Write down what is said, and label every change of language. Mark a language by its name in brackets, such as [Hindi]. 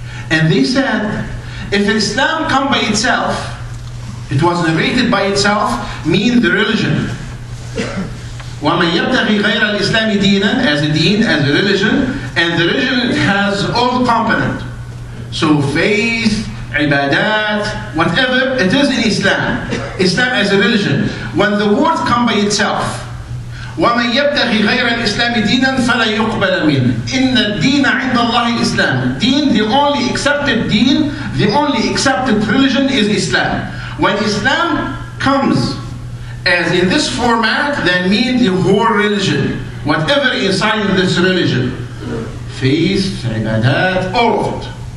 [English] And they said, if Islam come by itself, it was narrated by itself, mean the religion. [Arabic] وَمَنْ يَبْتَغِي غَيْرَ الْإِسْلَامِ دِينًا [English] as a deen, as a religion, and the religion has all component. So faith, ibadat, whatever, it is in Islam. Islam as a religion. When the word come by itself, [Arabic] وَمَنْ يَبْتَغِي غَيْرَ الْإِسْلَامِ دِينًا فَلَا يُقْبَلَ مِنْ إِنَّ الدِّينَ عِنْدَ اللَّهِ الْإِسْلَامِ. [English] Deen, the only accepted deen, the only accepted religion is Islam. When Islam comes as in this format, then mean the whole religion, whatever inside this religion, faith, ibadat, all of it.